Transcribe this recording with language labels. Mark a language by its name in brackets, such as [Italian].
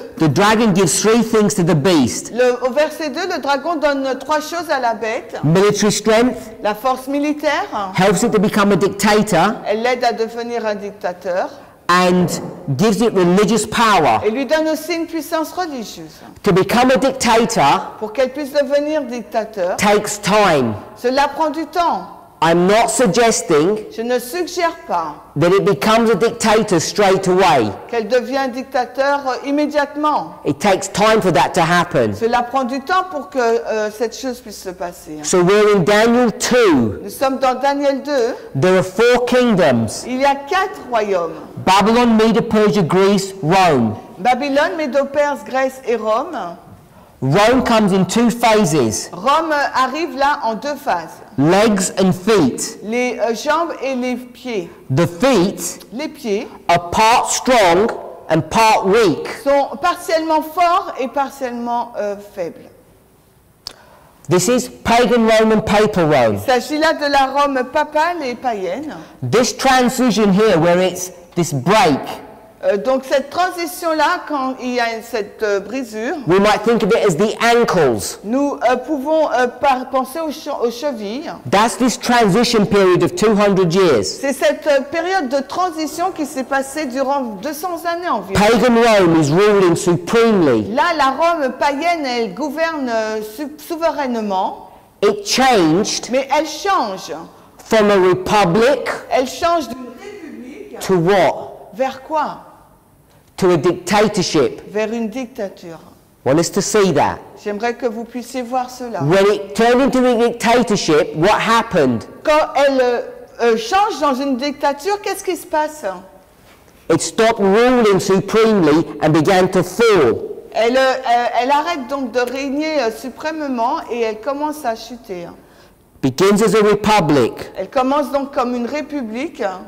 [English] The dragon gives three things to the beast. [French] Au verset 2, le dragon donne trois choses à la bête. [English] Military strength. [French] La force militaire. [English] Helps it to become a dictator. [French] Elle l'aide à devenir un dictateur. [English] And gives it religious power. [French] Et lui donne aussi une puissance religieuse. [English] To become a dictator. [French] Pour qu'elle puisse devenir dictateur. [English] Takes time. [French] Cela prend du temps. [English] I'm not suggesting. [French] Je ne suggère pas. [English] That it becomes a dictator straight away. [French] Qu'elle devient un dictateur immédiatement. [English] It takes time for that to happen. [French] Cela prend du temps pour que cette chose puisse se passer. [English] So we're in Daniel 2. [French] Nous sommes dans Daniel 2. [English] There are four kingdoms. [French] Il y a quatre royaumes. [English] Babylon, Medo-Persia, Greece, Rome. [French] Babylone, Medo-Perse, Grèce et Rome. [English] Rome comes in two phases. [French] Rome arrive là en deux phases. [English] Legs and feet. [French] Les jambes et les pieds. [English] The feet. [French] Les pieds. [English] Are part strong and part weak. [French] Sont partiellement forts et partiellement faibles. [English] This is pagan Roman papal Rome. [French] Il s'agit là de la Rome papale et païenne. [English] This transition here, where it's this break. [French] Donc cette transition là, quand il y a cette brisure, [English] we might think of it as the ankles. [French] Nous pouvons penser aux chevilles. [English] That's this transition period of 200 years. [French] C'est cette période de transition qui s'est passée durant 200 années environ. [English] Pagan Rome is ruling supremely. [French] Là, la Rome païenne, elle gouverne souverainement. [English] It changed. [French] Mais elle change. [English] From a republic. [French] Elle change d'une république. [English] To what? [French] Vers quoi? [English] To a dictatorship. [French] Vers une dictature. [English] Want us to see that? [French] J'aimerais que vous puissiez voir cela. [English] When it turned into a dictatorship, what happened? [French] Quand elle change dans une dictature, qu'est-ce qui se passe? [English] It stopped ruling supremely and began to fall. [French] Elle arrête donc de régner suprêmement et elle commence à chuter. [English] Begins as a republic. [French] Elle commence donc comme une république.